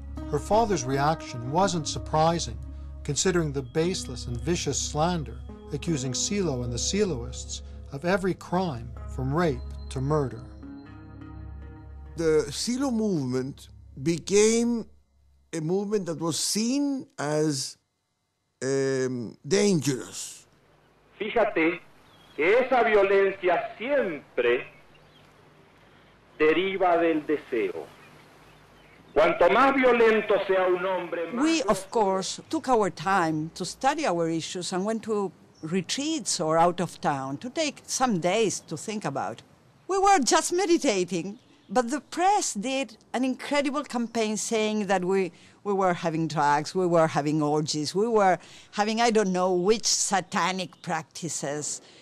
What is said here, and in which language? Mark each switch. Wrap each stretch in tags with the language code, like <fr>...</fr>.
<en>Her father's reaction wasn't surprising, considering the baseless and vicious slander accusing Silo and the Siloists of every crime from rape to murder. The Silo movement became a movement that was seen as dangerous.</en> <es>Fíjate que esa violencia siempre deriva del deseo. Cuanto más violento sea un hombre, más...</es> <en>We, of course, took our time to study our issues and went to retreats or out of town to take some days to think about. We were just meditating. But the press did an incredible campaign saying that we were having drugs, we were having orgies, we were having I don't know which satanic practices.</en>